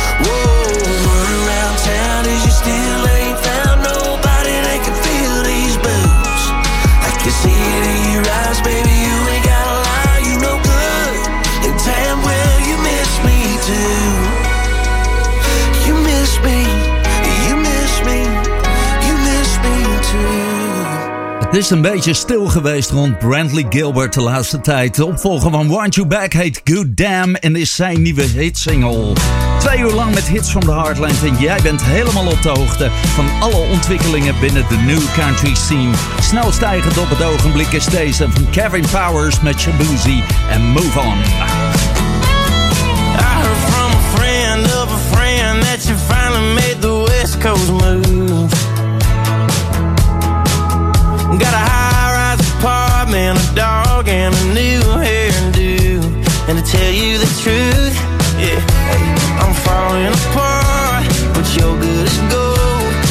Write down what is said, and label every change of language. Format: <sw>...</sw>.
<en>Whoa, run around town as you still ain't found nobody that can feel these boots. I can see it in your eyes, baby, you ain't gotta lie, you no good. And damn well you miss me too. You miss me, you miss me, you miss me too.</en> <nl>Het is een beetje stil geweest rond Brantley Gilbert de laatste tijd. De opvolger van Want You Back heet Good Damn en is zijn nieuwe hitsingle. 2 uur lang met hits from the heartland en jij bent helemaal op de hoogte van alle ontwikkelingen binnen de new country scene. Snel stijgend op het ogenblik is deze van Kevin Powers met Shaboozy en Move On.</nl> <en>I heard from a friend of a friend that you finally made the West Coast move. Got a high-rise apartment, a dog, and a new hairdo. And to tell you the truth, yeah, I'm falling apart, but you're good as gold.</en>